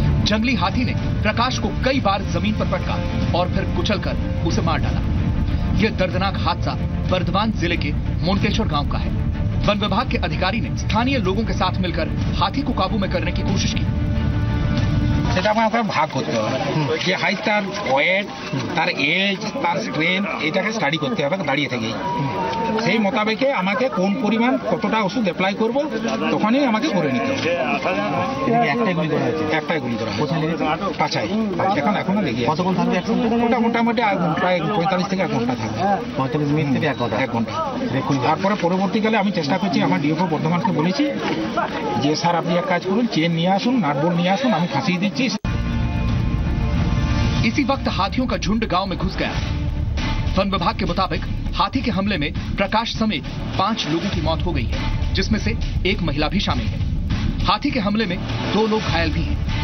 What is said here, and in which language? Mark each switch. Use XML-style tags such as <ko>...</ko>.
<hi>जंगली हाथी ने प्रकाश को कई बार जमीन पर पटका और फिर कुचलकर उसे मार डाला। यह दर्दनाक हादसा बर्धमान जिले के मोंटेश्वर गांव का है। वन विभाग के अधिकारी ने स्थानीय लोगों के साथ मिलकर हाथी को काबू में करने की कोशिश की।</hi> <bn>ভাগ করতে হবে যে হাইট, তার ওয়েট, তার এজ, তার স্ট্রেন, এটাকে স্টাডি করতে হবে দাঁড়িয়ে থেকে। সেই মোতাবেকে আমাকে কোন পরিমাণ কতটা ওষুধ অ্যাপ্লাই করব তখনই আমাকে করে নিতে হবে। একটাই গুলি করা হয়েছে, একটাই গুলি করা হয়েছে, পঁয়তাল্লিশ থেকে এক ঘন্টা থাকবে, পঁয়তাল্লিশ মিনিট থেকে এক ঘন্টা, এক ঘন্টা। তারপরে পরবর্তীকালে আমি চেষ্টা করছি, আমার ডিএফও বর্ধমানকে বলেছি যে স্যার আপনি এক কাজ করুন, চেন নিয়ে আসুন, নাটবোর্ড নিয়ে আসুন, আমি ফাঁসিয়ে দিচ্ছি।</bn> <hi>इसी वक्त हाथियों का झुंड गांव में घुस गया। वन विभाग के मुताबिक हाथी के हमले में प्रकाश समेत पांच लोगों की मौत हो गई है, जिसमें से एक महिला भी शामिल है। हाथी के हमले में दो लोग घायल भी हैं।</hi>